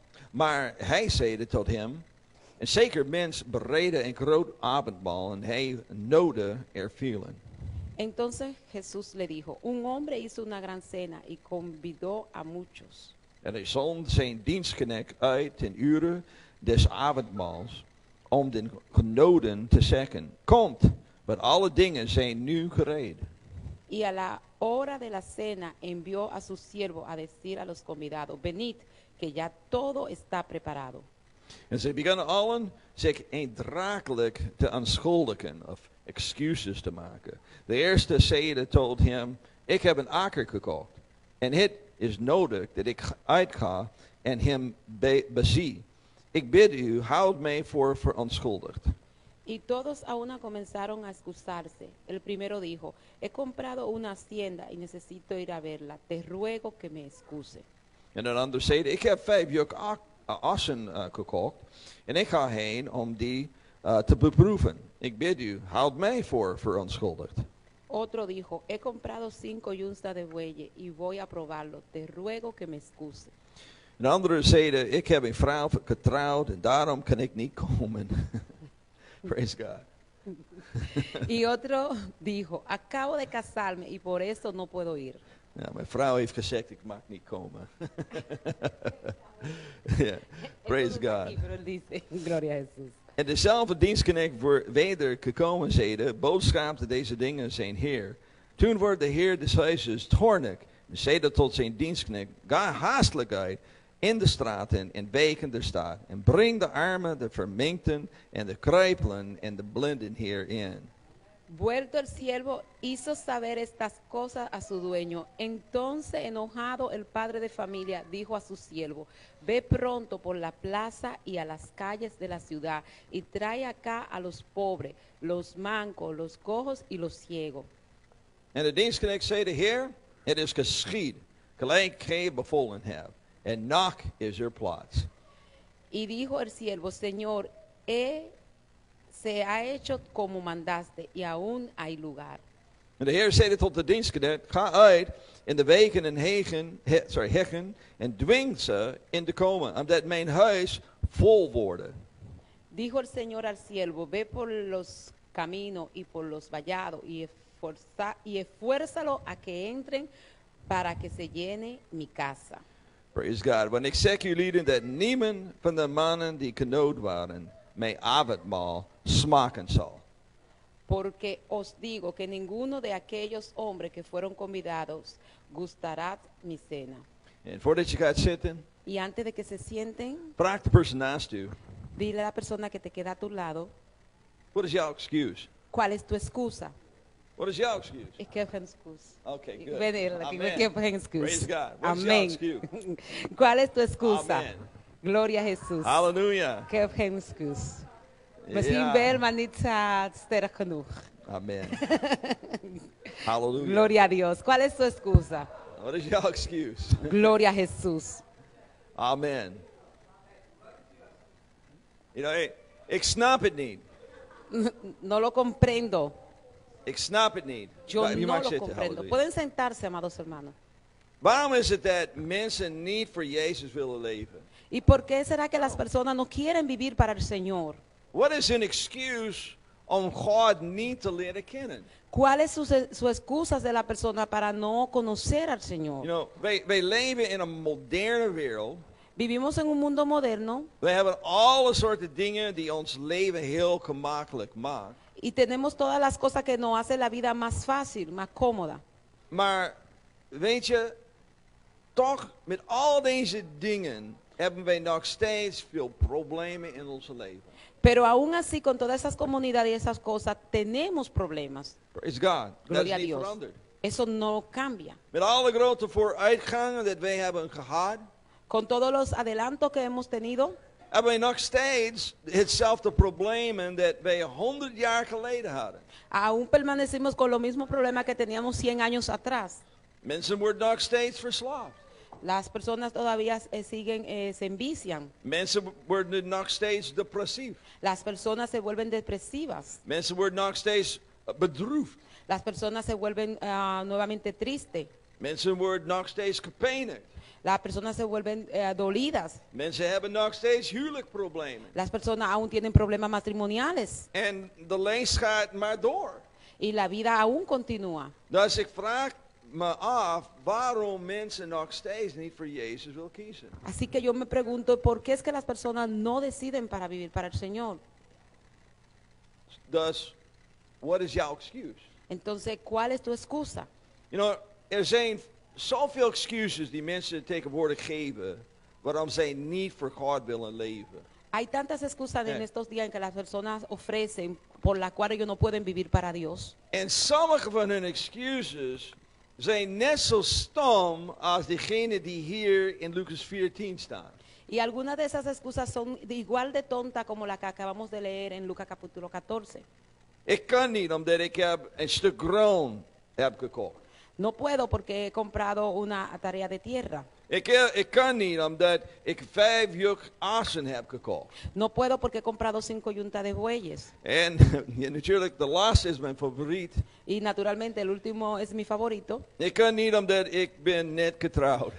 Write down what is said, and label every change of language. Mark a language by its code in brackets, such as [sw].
[nl] Maar hij zeide tot hem, een zeker mens bereidde een groot avondmaal en hij noodde er vielen. [es] Entonces Jesús le dijo, un hombre hizo una gran cena y convidó a muchos. [nl] En hij zond zijn dienstknecht uit ten uren des avondmaals om de genoden te zeggen, komt, want alle dingen zijn nu gereed. [es] Y a la hora de la cena envió a su siervo a decir a los convidados, venid, que ya todo está preparado. [nl] En ze begonnen allen zich eindrakelijk te aanschuldigen of excuses te maken. De eerste zeide tot hem, ik heb een akker gekocht en het is nodig dat ik uitga en hem bezie. Ik bid u, houd mij voor verontschuldigd. [es] Y todos a una comenzaron a excusarse. El primero dijo, he comprado una hacienda y necesito ir a verla. Te ruego que me excuse. En een ander zeide, ik heb 5 juk assen gekocht en ik ga heen om die te beproeven. Ik bid u, houd mij voor verontschuldigd. Otro dijo, he comprado 5 yuntas de bueyes y voy a probarlo. Te ruego que me excuse. [nl] Een ander zeide, ik heb een vrouw getrouwd en daarom kan ik niet komen. [en] Praise God. [es] Y otro dijo, acabo de casarme y por eso no puedo ir. [nl] Ja, mijn vrouw heeft gezegd, ik mag niet komen. [en] Yeah. Praise God. [es] Gloria a Jesus. [nl] En dezelfde dienstknecht weder gekomen zeide, boodschapte deze dingen zijn heer. Toen werd de heer des huizes toornig en zeide tot zijn dienstknecht, ga haastelijk uit in de straten en wijken der stad en breng de armen, de verminkten en de kruipelen en de blinden hierin. [es] Vuelto el siervo hizo saber estas cosas a su dueño. Entonces, enojado, el padre de familia dijo a su siervo, ve pronto por la plaza y a las calles de la ciudad y trae acá a los pobres, los mancos, los cojos y los ciegos. [nl] En de dienstknecht zei de heer, het is geschied, gelijk gij bevolen hebt, en nog is er plaats. [es] Y dijo el siervo, señor, he se ha hecho como mandaste, y aún hay lugar. [nl] En de Heer zei tot de dienstknecht, ga uit in de wegen en heggen en dwing ze in te komen, omdat mijn huis vol worden. [es] Dijo el Señor al siervo, ve por los caminos y por los vallados y esfuérzalo a que entren para que se llene mi casa. [en] Praise God, [nl] want ik zeg jullie dat niemand van de mannen die genood waren mij avondmaal smaken zal. [es] Porque os digo que ninguno de aquellos hombres que fueron convidados gustará mi cena. [nl] En voordat je gaat zitten. [es] Y antes de que se sienten. [nl] Vraag de persoon naast u. [es] Dile a la persona que te queda a tu lado. [en] What is your excuse? [es] ¿Cuál es tu excusa? [en] What is your excuse? [nl] Ik heb geen excuus. [en] Okay, good. Venirle, amen. [nl] Ik heb geen excuus. [en] Praise God. What amen. Is your excuse? [es] ¿Cuál es tu excusa? Amen. Gloria a Jesús. Hallelujah. [nl] Ik heb geen excuus. Misschien wel, maar niet sterk genoeg. Amen. Hallelujah. [es] Gloria a Dios. ¿Cuál es su excusa? [en] What is your excuse? [es] Gloria a Jesús. Amen. [en] You know, [nl] ik snap het niet. [es] No lo comprendo. [nl] Ik snap het niet. [es] Yo no lo comprendo. Pueden sentarse, amados hermanos. [nl] Waarom is het dat mensen niet voor Jezus willen leven? [es] ¿Y por qué será que las personas no quieren vivir para el Señor? [en] What is an excuse [nl] om God niet te leren kennen? [es] ¿Cuál es su excusa de la persona para no conocer al Señor? [en] You know, [nl] we leven in a moderne wereld. [es] Vivimos en un mundo moderno. [nl] We hebben alle soorten dingen die ons leven heel gemakkelijk maken. [es] Y tenemos todas las cosas que nos hacen la vida más fácil, más cómoda. [nl] Maar weet je, toch met al deze dingen hebben wij nog steeds veel problemen in ons leven. [es] Pero aún así, con todas esas comunidades y esas cosas, tenemos problemas. [en] Praise God. [es] Gloria a Dios. Eso no cambia. [nl] Met alle grote vooruitgangen dat wij hebben gehad, [es] con todos los adelantos que hemos tenido, [nl] hebben wij nog steeds hetzelfde problemen dat wij 100 jaar geleden hadden. [es] Aún permanecimos con los mismos problemas que teníamos 100 años atrás. [nl] Mensen worden nog steeds verslaafd. [es] Las personas todavía siguen se envician. [nl] Mensen worden nog steeds depressief. [es] Las personas se vuelven depresivas. [nl] Mensen worden nog steeds bedroefd. [es] Las personas se vuelven nuevamente triste. [nl] Mensen worden nog steeds gepenigd. [es] Las personas se vuelven dolidas. [nl] Mensen hebben nog steeds huwelijkproblemen. [es] Las personas aún tienen problemas matrimoniales. [nl] En de lijst gaat maar door. [es] Y la vida aún continúa. [nl] Dus ik vraag me af waarom mensen nog steeds niet voor Jezus wil kiezen. [es] Así que yo me pregunto por qué es que las personas no deciden para vivir para el Señor. [en] Dus, what is your excuse? [es] Entonces, ¿cuál es tu excusa? [en] You know, [nl] er zijn zoveel excuses die mensen tegenwoordig geven waarom zij niet voor God willen leven. [es] Hay tantas excusas en estos días en que las personas ofrecen por la cual ellos no pueden vivir para Dios. [nl] En sommige van hun excuses zijn net zo stom als degene die hier in Lucas 14 staan. [es] Y algunas de esas excusas son igual de tonta como la que acabamos de leer en Lucas capítulo 14. [nl] Ik kan niet omdat ik heb een stuk grond heb gekocht. [es] No puedo porque he comprado una tarea de tierra. [nl] Ik kan niet omdat ik 5 juk asen heb gekocht. [es] No puedo porque he comprado 5 yuntas de bueyes. [nl] En natuurlijk, de laatste is mijn favoriet. [es] Y naturalmente, el último es mi favorito. [nl] Ik kan niet omdat ik ben net getrouwd.